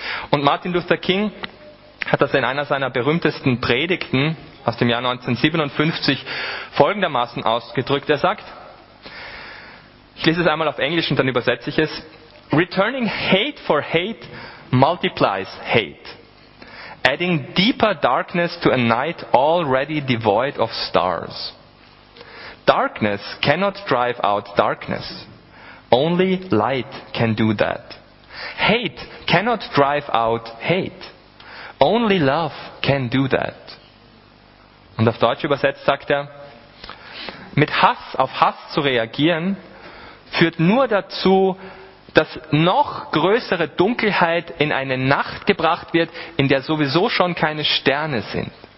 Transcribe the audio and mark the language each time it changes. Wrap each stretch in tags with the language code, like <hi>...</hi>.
<de>Und Martin Luther King hat das in einer seiner berühmtesten Predigten aus dem Jahr 1957 folgendermaßen ausgedrückt. Er sagt, ich lese es einmal auf Englisch und dann übersetze ich es,</de> <en>Returning hate for hate multiplies hate, adding deeper darkness to a night already devoid of stars. Darkness cannot drive out darkness. Only light can do that. Hate cannot drive out hate. Only love can do that.</en> <de>Und auf Deutsch übersetzt sagt er, mit Hass auf Hass zu reagieren, führt nur dazu, dass noch größere Dunkelheit in eine Nacht gebracht wird, in der sowieso schon keine Sterne sind.</de>